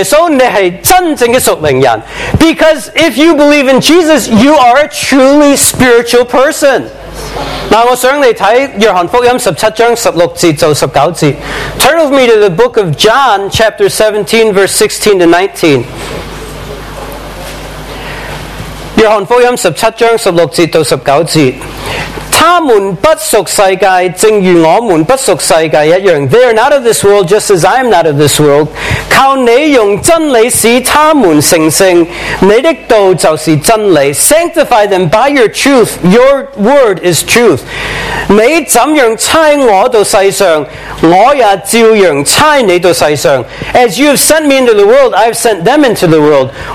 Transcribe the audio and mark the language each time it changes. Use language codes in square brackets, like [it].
[zh] 因为你是信耶稣，你是真正的属灵人。 [en] Because if you believe in Jesus, you are a truly spiritual person. [zh] 我想你看约翰福音17章16节到19节。 [en] Turn with me to the book of John, chapter 17, verse 16 to 19. [zh] 约翰福音17章16节到19节。他们不属世界，正如我们不属世界一样。 [en] They are not of this world, just as I am not of this world. [zh] 靠你用真理使他们成圣，你的道就是真理。 [en] Sanctify them by your truth. Your word is truth. [zh] 你怎样差我到世上，我也照样差你到世上。 [en] As you have sent me into the world, I have sent them into the world.